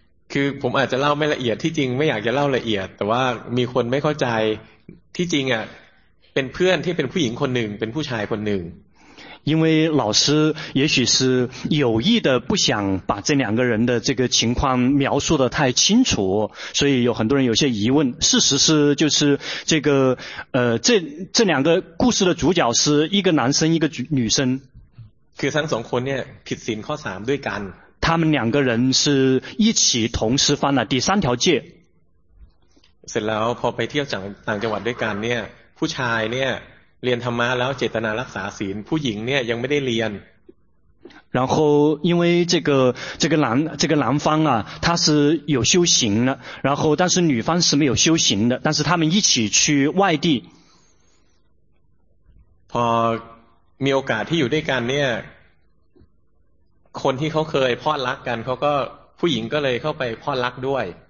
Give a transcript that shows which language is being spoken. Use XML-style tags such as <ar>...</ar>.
<th>คือผมอาจจะเล่าไม่ละเอียดที่จริงไม่อยากจะเล่าละเอียดแต่ว่ามีคนไม่เข้าใจที่จริงอ่ะเป็นเพื่อนที่เป็นผู้หญิงคนหนึ่งเป็นผู้ชายคนหนึ่ง</th> <zh>因为老师也许是有意的不想把这两个人的这个情况描述得太清楚所以有很多人有些疑问事实是就是这个这两个故事的主角是一个男生一个女生</zh> <th>คือทั้งสองคนเนี่ยผิดศีลข้อ3ด้วยกัน</th> <zh>他们两个人是一起同时犯了第三条戒</zh> <th>เสร็จแล้วพอไปเที่ยวต่างจังหวัดด้วยกันเนี่ยผู้ชายเนี่ยเรียนธรรมะแล้วเจตนารักษาศีลผู้หญิงเนี่ยยังไม่ได้เรียน</th> <zh>然后因为这个男方啊他是有修行的然后但是女方是没有修行的但是他们一起去外地</zh> <th>พอมีโอกาสที่อยู่ด้วยกันเนี่ยคนที่เขาเคยพอดรักกันเขาก็ผู้หญิงก็เลยเข้าไปพอดรักด้วย</th>